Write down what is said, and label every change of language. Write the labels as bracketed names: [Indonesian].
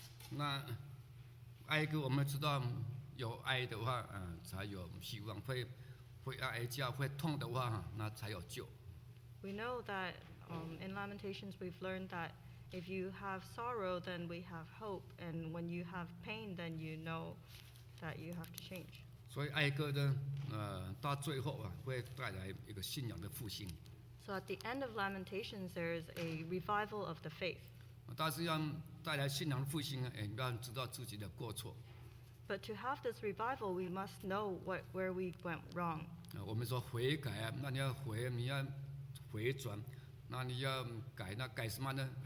[Chinese] 那哀歌，我们知道有哀的话，才有希望，会哀叫，会痛的话，那才有救。 [English] We know that in Lamentations we've learned that if you have sorrow, then we have hope, and when you have pain, then you know that you have to change. [Chinese] 所以哀歌呢，到最后啊，会带来一个信仰的复兴。 [English] So at the end of Lamentations, there is a revival of the faith. [Chinese] 但是要带来信仰复兴，也要知道自己的过错。 [English] But to have this revival, we must know where we went wrong. [Chinese] 我们说悔改啊，那你要悔，你要回转，那你要改，那改什么呢？